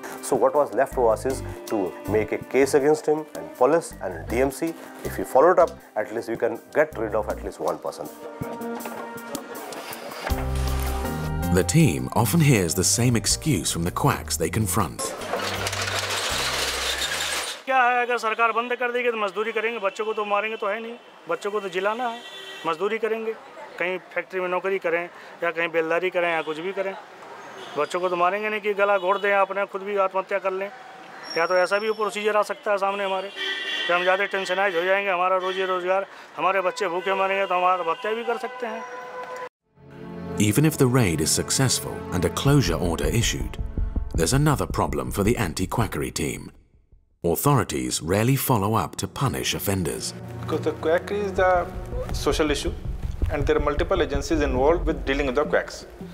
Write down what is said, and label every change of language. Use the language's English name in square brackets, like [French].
[English] So what was left for us is to make a case against him and police and DMC. If we follow it up, at least we can get rid of at least one person. The team often hears the same excuse from the quacks they confront. [Hindi] क्या है अगर सरकार बंद कर देगी तो मजदूरी करेंगे बच्चों को तो मारेंगे तो है नहीं बच्चों को तो जिलाना है मजदूरी करेंगे कहीं फैक्ट्री में नौकरी करें या कहीं बेलदारी करें या कुछ भी करें बच्चों को तो मारेंगे नहीं कि गला घोट दें अपने खुद भी आत्महत्या कर लें या तो ऐसा भी प्रोसीजर आ सकता है सामने हमारे कि हम ज़्यादा टेंशनाइज हो जाएंगे हमारा रोजी रोजगार हमारे बच्चे भूखे मरेंगे तो हम आत्महत्या भी कर सकते हैं [English] Even if the raid is successful and a closure order issued, there's another problem for the anti-quackery team. Authorities rarely follow up to punish offenders. Because the quackery is a social issue, and there are multiple agencies involved with dealing with the quacks.